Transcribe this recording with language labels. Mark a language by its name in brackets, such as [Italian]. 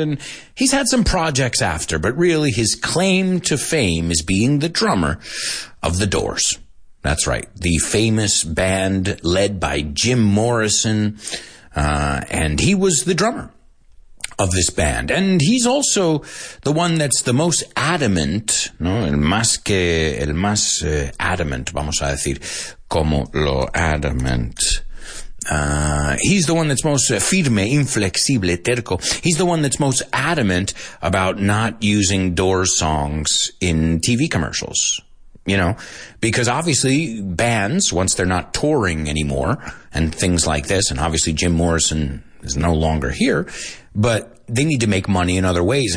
[English] And he's had some projects after, but really his claim to fame is being the drummer of the Doors. That's right. The famous band led by Jim Morrison. And he was the drummer of this band. And he's also the one that's the most adamant, ¿no? [Spanish] El más adamant, vamos a decir, como lo adamant. [English] He's the one that's most [Spanish] firme, inflexible, terco. [English] He's the one that's most adamant about not using Doors songs in TV commercials. you know, because obviously bands, once they're not touring anymore and things like this, and obviously Jim Morrison is no longer here, but they need to make money in other ways.